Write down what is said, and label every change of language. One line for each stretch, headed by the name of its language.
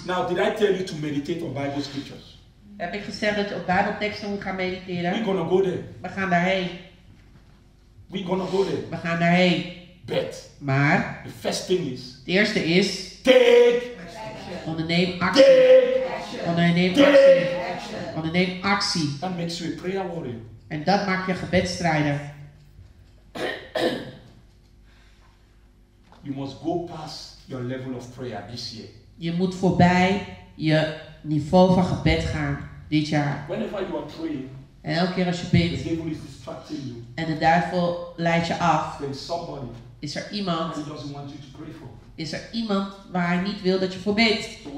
English: Now, did I tell you to meditate on Bible scriptures?
Dutch: Heb ik gezegd dat je op Bijbelteksten moet gaan mediteren?
English: We're gonna go there.
Dutch: We gaan daarheen.
English: We're gonna go there.
Dutch: We gaan daarheen.
English: Bet.
Dutch: Maar
English: the first thing is,
Dutch: de eerste is
English: take action.
Dutch: Onderneem actie. Onderneem actie.
English: That makes you a prayer warrior.
Dutch: En dat maakt je gebedstrijder.
English: You must go past your level of prayer this year.
Dutch: Je moet voorbij je niveau van gebed gaan dit jaar.
English: Whenever you are praying.
Dutch: En elke keer als je bidt en de duivel leidt je af, is er iemand waar hij niet wil dat je voor bidt.